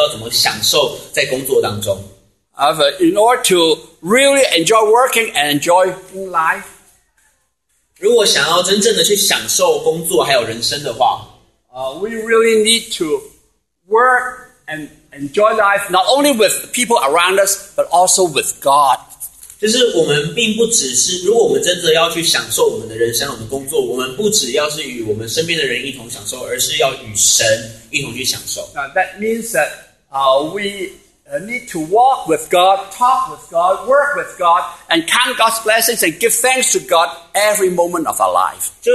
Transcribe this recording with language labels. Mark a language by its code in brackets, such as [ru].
[zh] 可是有很多人他们并不知道怎么去享受他们的人生，也不知道怎么享受在工作当中. [en] However, in order to really enjoy working and enjoy life, [zh] 如果想要真正的去享受工作还有人生的话, [en] we really need to work and enjoy life not only with people around us, but also with God. [zh] 就是我们并不只是，如果我们真的要去享受我们的人生，我们的工作，我们不只要是与我们身边的人一同享受，而是要与神一同去享受. [en] Now that means that we need to walk with God, talk with God, work with God, and count God's blessings and give thanks to God every moment of our life.